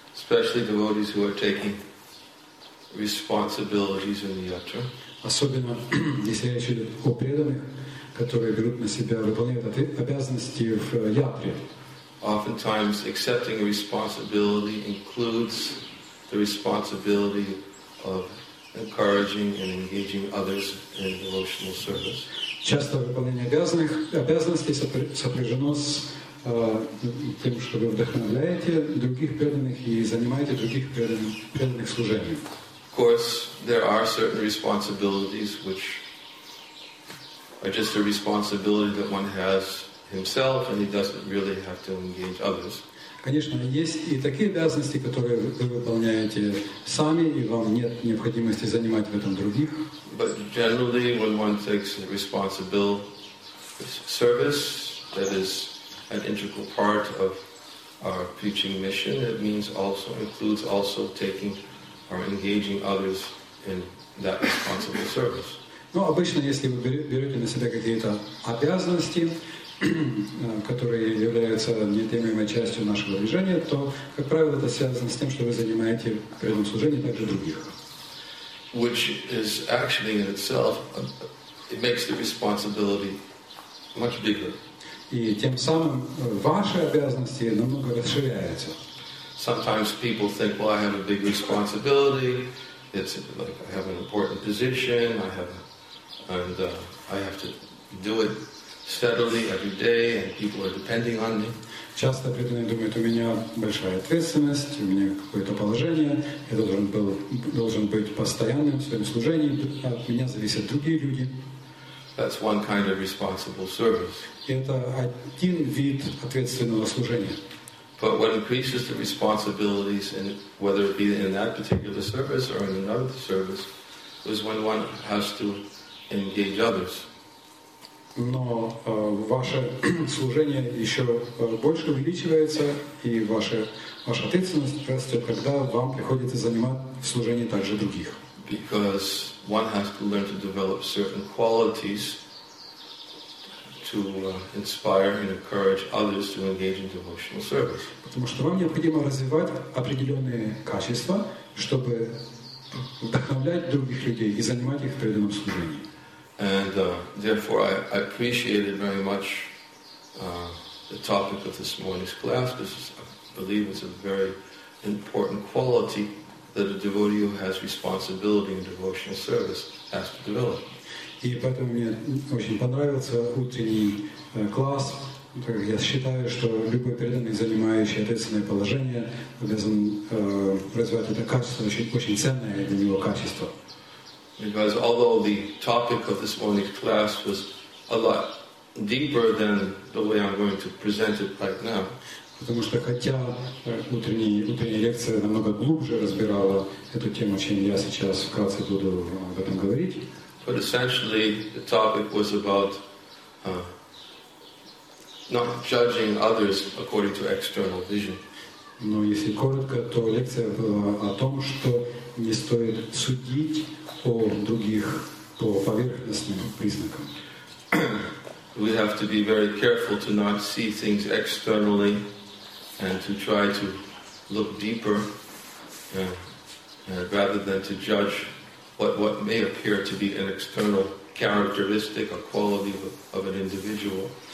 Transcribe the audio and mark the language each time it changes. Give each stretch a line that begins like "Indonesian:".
English: Especially devotees who are taking responsibilities in the yatra.
Russian: Особенно если речь идет о преданных, которые берут на себя выполняют обязанности в ятре.
English: Oftentimes, accepting a responsibility includes the responsibility of encouraging and engaging others in devotional service.
Russian: Часто выполнение обязанностей сопряжено с тем, что вы вдохновляете других преданных и занимаете других преданных служением.
English: Of course, there are certain responsibilities which are just a responsibility that one has himself, and he doesn't really have to engage others.
Russian: Конечно, есть и такие обязанности, которые вы выполняете сами, и вам нет необходимости занимать в этом других.
English: But generally, when one takes a responsible service that is an integral part of our preaching mission, it means also includes also taking or engaging others in that responsible service.
Russian: Ну, обычно, если вы берете на себя какие-то обязанности, которые являются неотъемлемой частью нашего движения, то, как правило, это связано с тем, что вы занимаете при этом служении также других.
English: Which is actually in itself, it makes the responsibility much bigger.
Russian: И тем самым ваши обязанности намного расширяются.
English: Sometimes people think, well, I have a big responsibility, it's like I have an important position, I have to do it steadily every day, and people are depending on me.
Russian: Часто преданные думают, у меня большая ответственность, у меня какое-то положение, я должен быть постоянным в своем служении, от меня зависят другие люди.
English: That's one kind of responsible service.
Russian: Это один вид ответственного служения.
English: But what increases the responsibilities, in, whether it be in that particular service or in another service, is when one has to engage others.
Russian: Но ваше служение еще больше увеличивается, и ваша ответственность растет, когда вам приходится заниматься служением также других.
English: Because one has to learn to develop certain qualities to inspire and encourage others to engage in devotional service.
Russian: Потому что вам необходимо развивать определенные качества, чтобы вдохновлять других людей и занимать их в преданном служении.
English: And therefore, I appreciated very much the topic of this morning's class. This is, I believe, is a very important quality that a devotee who has responsibility in devotional service has to develop.
Russian: И поэтому мне очень понравился утренний класс. Я считаю, что любой преданный, занимающий ответственное положение, обязан развивать это качество, очень ценное для него качество.
English: Because although the topic of this morning's class was a lot deeper than the way I'm going to present it right now,
Russian: потому что хотя утренняя лекция намного глубже разбирала эту тему, чем я сейчас вкратце буду об этом говорить,
English: but essentially the topic was about not judging others according to external vision.
Russian: Но если коротко, то лекция была о том, что не стоит судить по других, по поверхностным признакам.
English: We have to be very careful to not see things externally and to try to look deeper rather than to judge what may appear to be an external characteristic or quality of an individual.